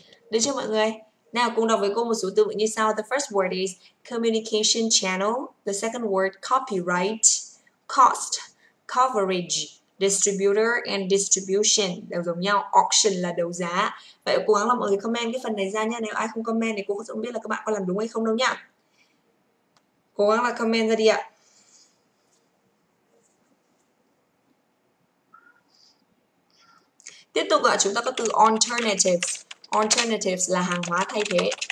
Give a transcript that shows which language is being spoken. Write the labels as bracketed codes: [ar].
[vi] Được chưa mọi người? Nào cùng đọc với cô một số từ vựng như sau. [en] The first word is communication channel. The second word copyright, cost, coverage, distributor and distribution. [vi] Đều giống nhau. Auction là đấu giá. Vậy cố gắng là mọi người comment cái phần này ra nha. Nếu ai không comment thì cô cũng không biết là các bạn có làm đúng hay không đâu nha. Cố gắng là comment ra đi ạ. Tiếp tục ạ, chúng ta có từ alternatives. Alternatives là hàng hóa thay thế.